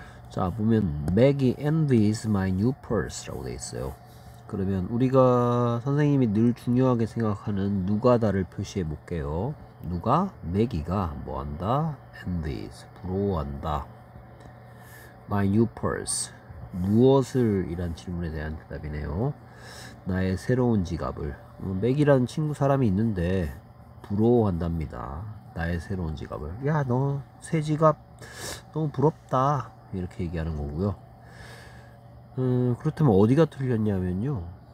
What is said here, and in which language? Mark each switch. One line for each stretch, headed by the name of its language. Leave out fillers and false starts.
Korean: 자, 보면
English: Maggie envies my new purse
Korean: 라고 되어 있어요. 그러면 우리가 선생님이 늘 중요하게 생각하는 누가다를 표시해 볼게요. 누가? 매기가 뭐 한다? envies 부러워한다.
English: my new purse
Korean: 무엇을? 이란 질문에 대한 대답이네요. 나의 새로운 지갑을. 매기라는 친구 사람이 있는데 부러워한답니다. 나의 새로운 지갑을. 야, 너새 지갑 너무 부럽다. 이렇게 얘기하는 거고요. 그렇다면 어디가 틀렸냐면요.